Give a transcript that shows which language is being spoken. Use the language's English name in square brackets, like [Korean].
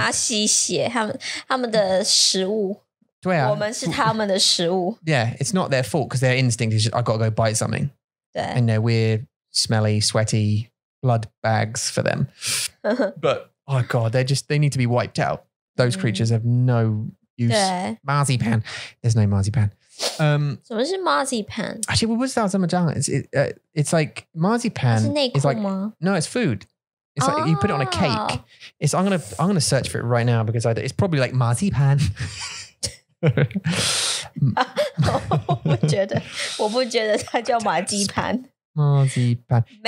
[Chinese] 他们要吸血，他们的食物。对啊。我们是他们的食物。 [English] Yeah, it's not their fault because their instinct is just, I've got to go bite something. [Chinese] 对。 [English] And they're weird, smelly, sweaty blood bags for them. But, oh God, they need to be wiped out. Those creatures have no use. Marzipan. There's no marzipan. What is marzipan? Actually, what was that? It's like marzipan. Is like, no, it's food. It's like, oh, you put it on a cake. It's, I'm gonna search for it right now because it's probably like marzipan. [Chinese] 我不觉得它叫马鸡盘。马鸡盘。